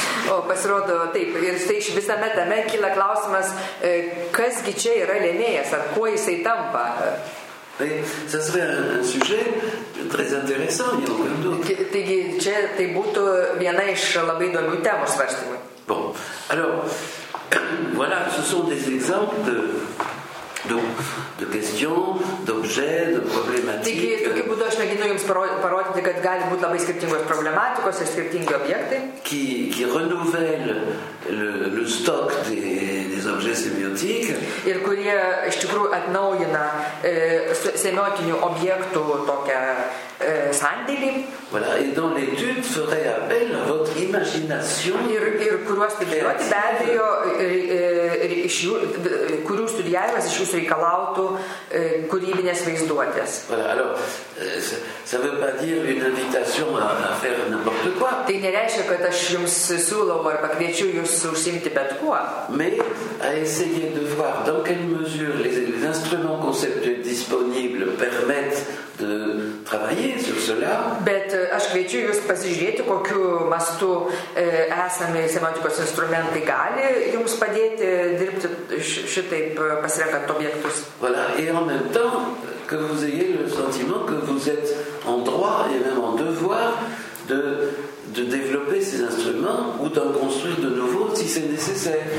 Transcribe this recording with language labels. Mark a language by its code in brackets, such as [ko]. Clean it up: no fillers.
[lt] O pasirodo taip, ir tai iš visame tame kyla klausimas, kasgi čia yra lemėjas, ar kuo jisai tampa. [fr] Ça serait un sujet très intéressant, il y a aucun doute. [lt] Taigi čia tai būtų viena iš labai įdomių temų svarstymų. [fr] Bon, alors, voilà, ce sont des exemples de questions, d'objets, de problématiques. [lt] Taigi, tokiu būdu aš mėginu jums parodyti, kad gali būti labai skirtingos problematikos ir skirtingi objektai. [fr] Qui renouvelle le stock des objets sémiotiques. [lt] Ir kurie iš tikrųjų atnaujina sémiotinių objektų tokią sandėlį. [fr] Voilà, et dont l'étude ferait appel à votre imagination. [lt] Ir kuriuos studijuoti be abejo, kurių studijavimas iš jūsų reikalautų kūrybinės vaizduotės. [fr] Voilà, alors, ça veut pas dire une invitation à faire n'importe quoi. [lt] Tai nereiškia, kad aš jums siūlau ar pakviečiu jūs užsiimti bet kuo. [fr] Mais à essayer de voir dans quelle mesure les instruments conceptuels disponibles permettent de travailler sur cela. [lt] Bet aš kviečiu jūs pasižiūrėti, kokiu mastu esami semiotikos instrumentai gali jums padėti dirbti šitaip pasirenkant objektus. [fr] Voilà. Et en même temps, que vous ayez le sentiment que vous êtes en droit et même en devoir de développer ces instruments ou d'en construire de nouveaux si c'est nécessaire.